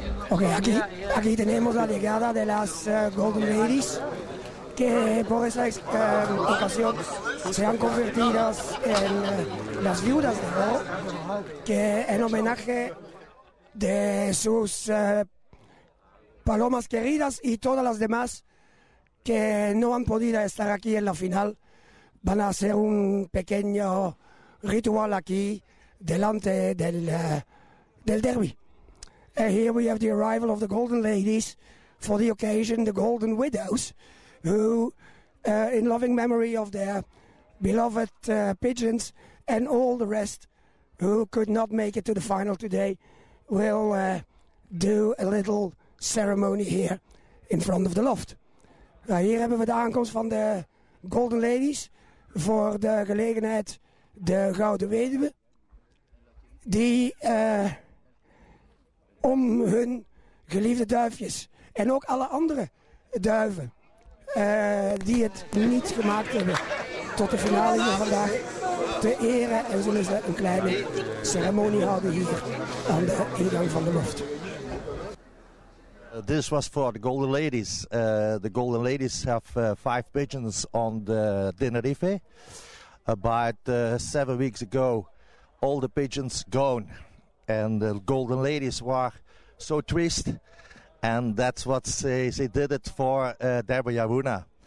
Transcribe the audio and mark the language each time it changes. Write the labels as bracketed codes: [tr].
[es] Okay, aquí tenemos la llegada de las Golden Ladies, que por esa ocasión se han convertido en las viudas de oro, que en homenaje de sus palomas queridas y todas las demás que no han podido estar aquí en la final, van a hacer un pequeño ritual aquí delante del derby. [en] Here we have the arrival of the Golden Ladies for the occasion, the Golden Widows, who, in loving memory of their beloved pigeons and all the rest who could not make it to the final today, will do a little ceremony here in front of the loft. [nl] Hier hebben we de aankomst van de Golden Ladies voor de gelegenheid de Gouden Weduwe, die om hun geliefde duifjes en ook alle andere duiven die het niet gemaakt hebben tot de finale hier vandaag te eren, en zullen ze een kleine ceremonie houden hier aan de ingang van de loft. [en] This was for the Golden Ladies. The Golden Ladies have five pigeons on the Tenerife. About 7 weeks ago, all the pigeons gone. And the Golden Ladies were so twist. And that's what they did it for Deborah Yavuna.